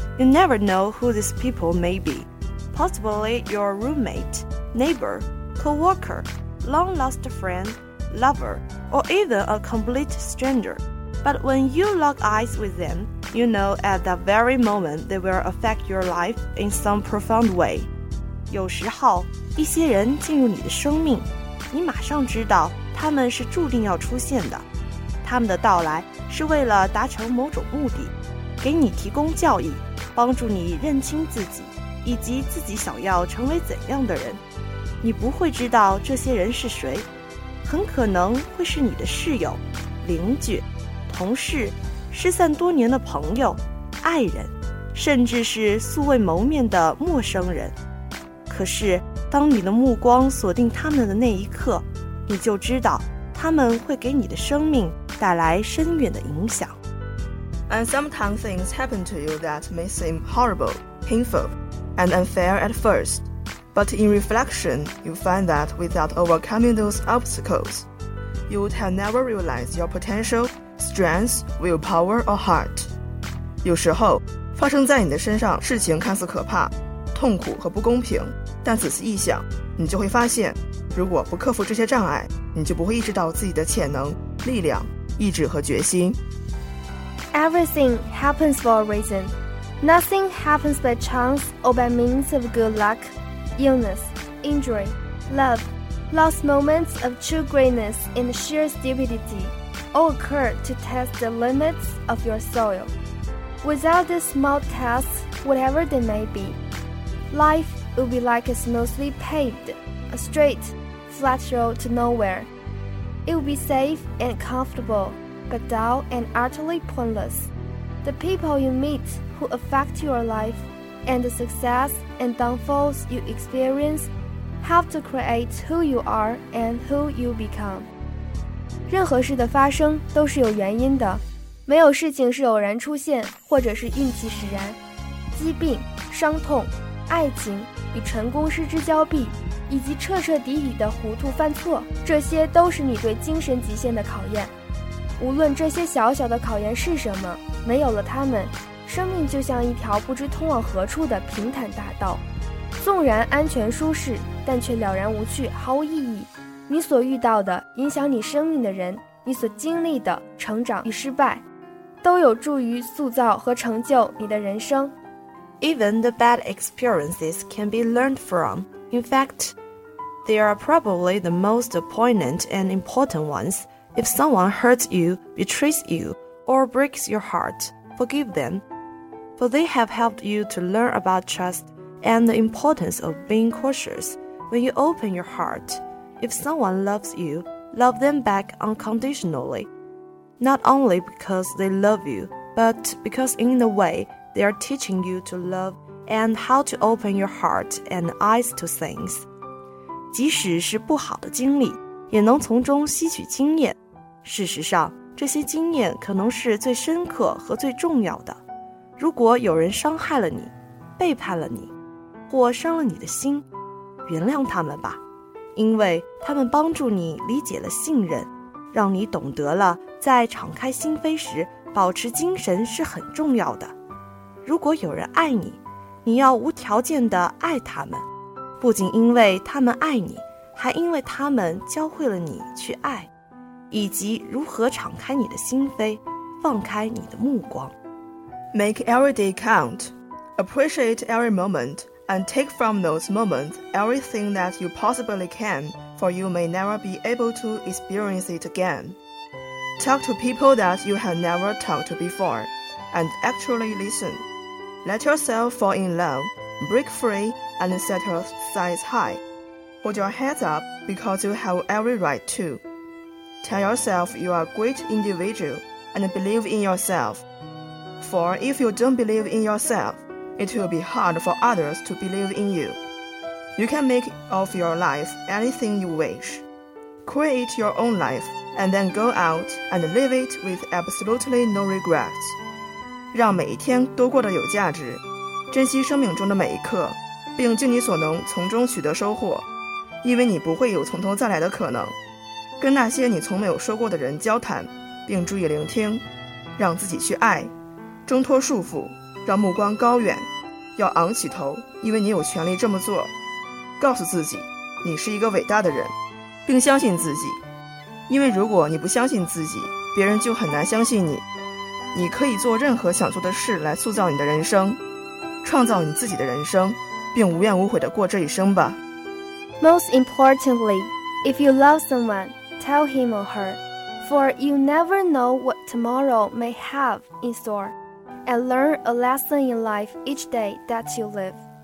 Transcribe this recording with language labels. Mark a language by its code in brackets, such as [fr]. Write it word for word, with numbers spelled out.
[en] You never know who these people may be. Possibly your roommate, neighbor, co-worker, long-lost friend, lover, or even a complete stranger. But when you lock eyes with them, you know at that very moment they will affect your life in some profound way. [zh] 有时候，一些人进入你的生命，你马上知道他们是注定要出现的。他们的到来是为了达成某种目的，给你提供教义，帮助你认清自己，以及自己想要成为怎样的人。你不会知道这些人是谁，很可能会是你的室友、邻居、同事、失散多年的朋友、爱人，甚至是素未谋面的陌生人。可是，当你的目光锁定他们的那一刻，你就知道他们会给你的生命带来深远的影响。 [en] And sometimes things happen to you that may seem horrible, painful, and unfair at first. But in reflection, you find that without overcoming those obstacles, you would have never realized your potential, strength, willpower, or heart. [zh] 有时候，发生在你的身上事情看似可怕、痛苦和不公平，但仔细一想，你就会发现，如果不克服这些障碍，你就不会意识到自己的潜能、力量、意志和决心。 [en] Everything happens for a reason. Nothing happens by chance or by means of good luck, illness, injury, love, lost moments of true greatness and sheer stupidity, all occur to test the limits of your soil. Without these small tests, whatever they may be, life would be like a smoothly paved, a straight, flat road to nowhere. It will be safe and comfortable, but dull and utterly pointless. The people you meet who affect your life and the success and downfalls you experience have to create who you are and who you become. [zh] 任何事的发生都是有原因的，没有事情是偶然出现或者是运气使然。疾病、伤痛、爱情与成功失之交臂，以及彻彻底底的糊涂犯错，这些都是你对精神极限的考验。无论这些小小的考验是什么，没有了它们，生命就像一条不知通往何处的平坦大道，纵然安全舒适，但却了然无趣，毫无意义。你所遇到的、影响你生命的人，你所经历的成长与失败，都有助于塑造和成就你的人生。 [en] Even the bad experiences can be learned from. In fact,They are probably the most poignant and important ones. If someone hurts you, betrays you, or breaks your heart, forgive them, for they have helped you to learn about trust and the importance of being cautious when you open your heart. If someone loves you, love them back unconditionally, not only because they love you, but because in a way they are teaching you to love and how to open your heart and eyes to things. [zh] 即使是不好的经历，也能从中吸取经验。事实上，这些经验可能是最深刻和最重要的。如果有人伤害了你，背叛了你，或伤了你的心，原谅他们吧，因为他们帮助你理解了信任，让你懂得了在敞开心扉时保持精神是很重要的。如果有人爱你，你要无条件地爱他们。不仅因为他们爱你，还因为他们教会了你去爱，以及如何敞开你的心扉，放开你的目光。 [en] Make every day count. Appreciate every moment and take from those moments everything that you possibly can, for you may never be able to experience it again. Talk to people that you have never talked to before, and actually listen. Let yourself fall in love, break free, and set your sights high. Hold your heads up because you have every right to. Tell yourself you are a great individual and believe in yourself. For if you don't believe in yourself, it will be hard for others to believe in you. You can make of your life anything you wish. Create your own life and then go out and live it with absolutely no regrets. [zh] 让每一天都过得有价值，珍惜生命中的每一刻，并尽你所能从中取得收获，因为你不会有从头再来的可能。跟那些你从没有说过的人交谈，并注意聆听，让自己去爱，挣脱束缚，让目光高远，要昂起头，因为你有权利这么做。告诉自己，你是一个伟大的人，并相信自己，因为如果你不相信自己，别人就很难相信你。你可以做任何想做的事来塑造你的人生，创造你自己的人生，并无怨无悔地过这一生吧。 [en] Most importantly, if you love someone, tell him or her, for you never know what tomorrow may have in store, and learn a lesson in life each day that you live.